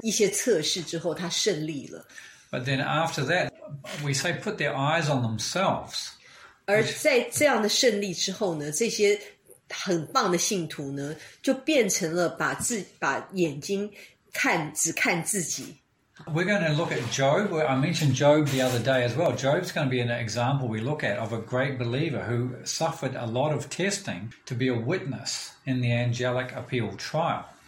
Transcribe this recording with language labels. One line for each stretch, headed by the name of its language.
Chinese: 其实这只是其中的一个例子。其实在整个历史上我们看到有非常多的非常了不起的这些信徒，他们得到了大胜利是因为他经过了很严厉的某一些测试之后，他胜利了。
English: But then after that, we say put their eyes on themselves.
Chinese: 而在这样的胜利之后呢，这些很棒的信徒呢，就变成了把眼睛只看自己。
English: We're going to look at Job. I mentioned Job the other day as well. Job's going to be an example we look at of a great believer who suffered a lot of testing to be a witness in the angelic appeal trial.